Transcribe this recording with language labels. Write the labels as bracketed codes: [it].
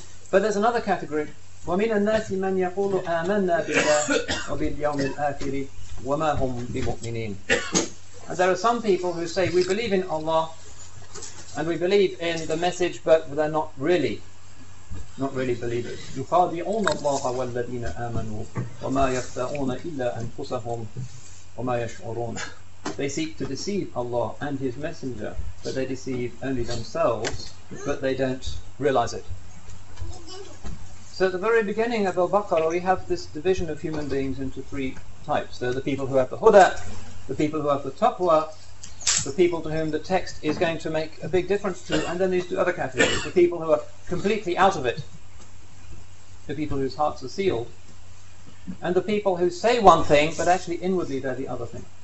[en] But there's another category. [ar] وَمِنَ النَّاسِ مَنْ يَقُولُ آمَنَّا بِاللَّهِ وَبِالْيَوْمِ الْآخِرِ وَمَا هُمْ بِمُؤْمِنِينَ. [en] And there are some people who say, we believe in Allah, and we believe in the message, but they're not really believers. [ar] يُخَادِعُونَ اللَّهَ وَالَّذِينَ آمَنُوا وَمَا يَخْدَعُونَ إِلَّا أَنفُسَهُمْ وَمَا يَشْعُرُونَ. [en] They seek to deceive Allah and His Messenger, but they deceive only themselves, but they don't realize it. So at the very beginning of Al-Baqarah, we have this division of human beings into three types. There are the people who have the huda, the people who have the taqwa, the people to whom the text is going to make a big difference to, and then these two other categories, the people who are completely out of it, the people whose hearts are sealed, and the people who say one thing, but actually inwardly they're the other thing.